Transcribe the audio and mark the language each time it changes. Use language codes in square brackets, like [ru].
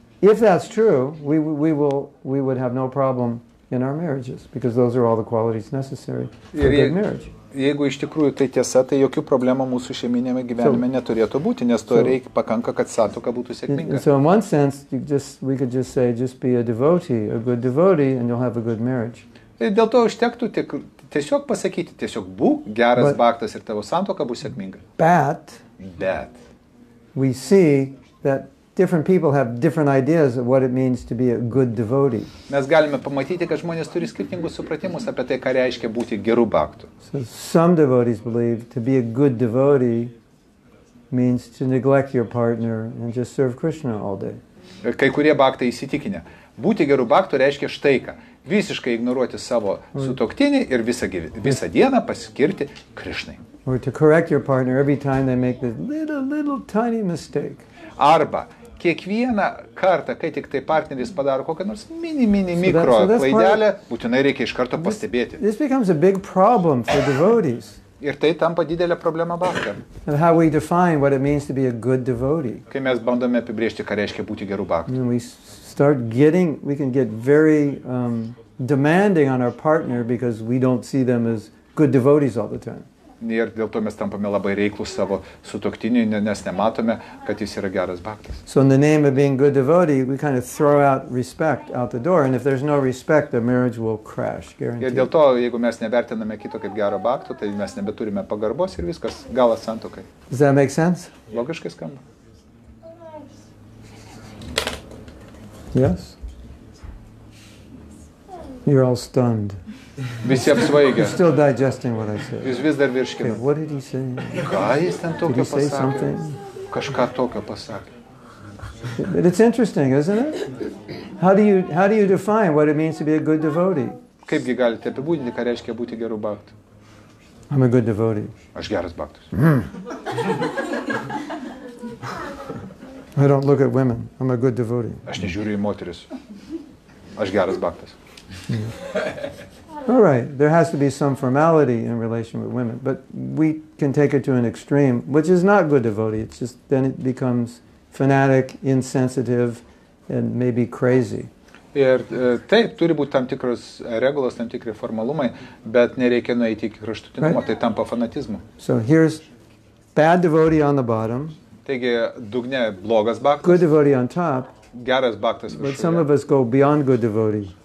[en] If that's true, we would have no problem in our marriages, because those are all the qualities necessary for a good marriage. [lt] Jeigu iš tikrųjų tai tiesa, tai jokių problemų mūsų šeiminėme gyvenime neturėtų būti, nes to reikia pakanka, kad santuoka būtų sėkminga. [en] So in one sense, we could just say, just be a good devotee, and you'll have a good marriage. [lt] Dėl to užtektų tiesiog pasakyti, tiesiog būk geras baktas ir tavo santuoka bus sėkminga. [en] But we see that different people have different ideas of what it means to be a good devotee. [lt] Mes galime pamatyti, kad žmonės turi skirtingus supratimus apie tai, ką reiškia būti geru baktu. [en] So some devotees believe to be a good devotee means to neglect your partner and just serve Krishna all day. [lt] Kai kurie baktai įsitikinę, būti geru baktu reiškia štai ką: visiškai ignoruoti savo sutoktinį ir visą dieną paskirti Krishnai. [en] Or to correct your partner every time they make this little tiny mistake. [lt] Arba kiekvieną kartą, kai tik tai partneris padaro kokią nors mini mikro klaidelę, būtinai reikia iš karto pastebėti. [en] This becomes a big problem for devotees. [lt] Ir tai tampa didelė problema baktam. [en] And how we define what it means to be a good devotee. [lt] Kai mes bandome apibrėžti, ką reiškia būti geru baktu. [en] We start getting, we can get very demanding on our partner because we don't see them as good devotees all the time. [lt] Ir dėl to mes tampame labai reiklus savo sutoktiniu, nes nematome, kad jis yra geras baktas. [en] So in the name of being good devotee, we kind of throw out respect out the door, and if there's no respect, the marriage will crash, guaranteed. [lt] Ir dėl to, jeigu mes nevertiname kito kaip gero bakto, tai mes nebeturime pagarbos ir viskas, galas santokai. [en] Does that make sense? [lt] Logiškai skamba. [en] Yes? You're all stunned. [lt] Visi apsvaigę. [en] You're still digesting what I said. [lt] Jūs vis dar virškinat. [en] Okay, what did he say? [lt] Ką jis ten tokio pasakė? [en] Did he say something? [lt] Kažką tokio pasakė. [en] But it's interesting, isn't it? How do you define what it means to be a good devotee? [lt] Kaipgi galite apibūdinti, ką reiškia būti geru baktu? [en] I'm a good devotee. [lt] Aš geras baktus. [en] I don't look at women. I'm a good devotee. [lt] Aš nežiūriu į moteris. Aš geras baktas. [en] All right, there has to be some formality in relation with women, but we can take it to an extreme, which is not good devotee, it's just then it becomes fanatic, insensitive, and maybe crazy. [lt] Ir tai turi būti tam tikros regulos, tam tikri formalumai, bet nereikia nueiti iki kraštutinumo, [en] right? [lt] Tai tampa fanatizmu. [en] So here's bad devotee on the bottom. [lt] Taigi dugne blogas baktas. [en] Good devotee on top. [lt] Geras baktas viršuje. [en] But some of us go beyond good devotee.